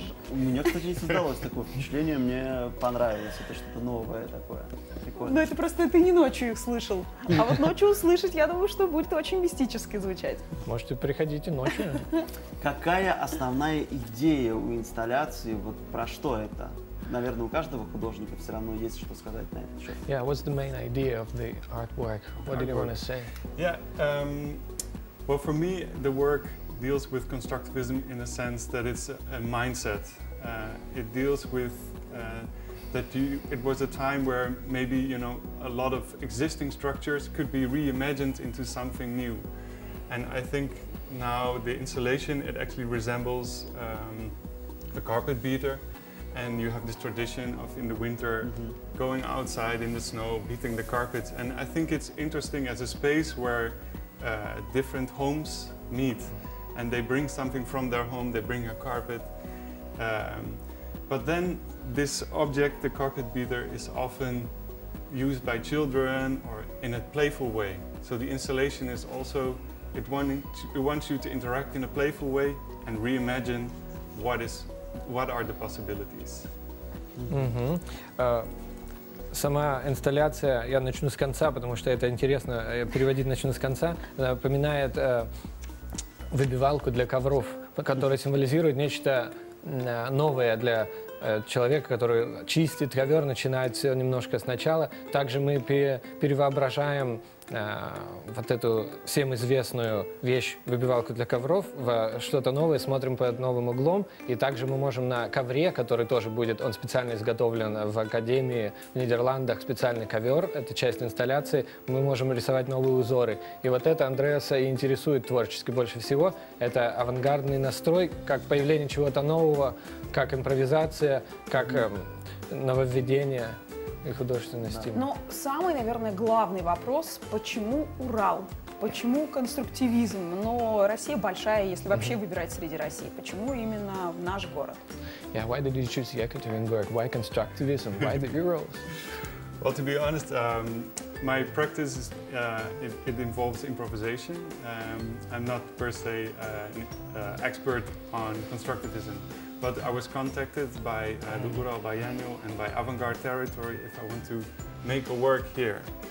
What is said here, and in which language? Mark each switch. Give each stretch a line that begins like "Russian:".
Russian: У меня, кстати, не создалось такое впечатление, мне понравилось, это что-то новое такое, прикольное. Но это просто ты не ночью их слышал, а вот ночью услышать, я думаю, что будет очень мистически звучать. Можете приходить и ночью. Какая основная идея у инсталляции, вот про что это? Наверное, у каждого художника все равно есть что сказать на этот счет.
English: Yeah, what's the main idea of the artwork? What did you want to say? Yeah, well, for me, the work deals with constructivism in a sense that it's a mindset. It deals with that you, it was a time where maybe, you know, a lot of existing structures could be reimagined into something new. And I think now the insulation, it actually resembles a carpet beater, and you have this tradition of in the winter going outside in the snow, beating the carpets. And I think it's interesting as a space where different homes meet, and they bring something from their home, they bring a carpet. But then this object, the carpet beater, is often used by children or in a playful way. So the installation is also, it wants you to interact in a playful way and reimagine what are the possibilities.
Russian: Сама инсталляция, я начну с конца, потому что это интересно, я переводить начну с конца, напоминает выбивалку для ковров, которая символизирует нечто новое для человека, который чистит ковер, начинает все немножко сначала. Также мы перевоображаем вот эту всем известную вещь, выбивалку для ковров, в что-то новое, смотрим под новым углом. И также мы можем на ковре, который тоже будет, он специально изготовлен в Академии в Нидерландах, специальный ковер, это часть инсталляции, мы можем рисовать новые узоры. И вот это Андреаса и интересует творчески больше всего. Это авангардный настрой, как появление чего-то нового, как импровизация, как нововведение. И художественный стиль. Но самый, наверное, главный вопрос, почему Урал? Почему конструктивизм? Но Россия большая, если вообще выбирать среди России. Почему именно в наш город?
English: Yeah, why did you choose Yekaterinburg? Why constructivism? Why the Urals? Well, to be honest, my practice is, it involves improvisation. I'm not per se an expert on constructivism. But I was contacted by the Ural Biennial and by Avant-Garde Territory if I want to make a work here.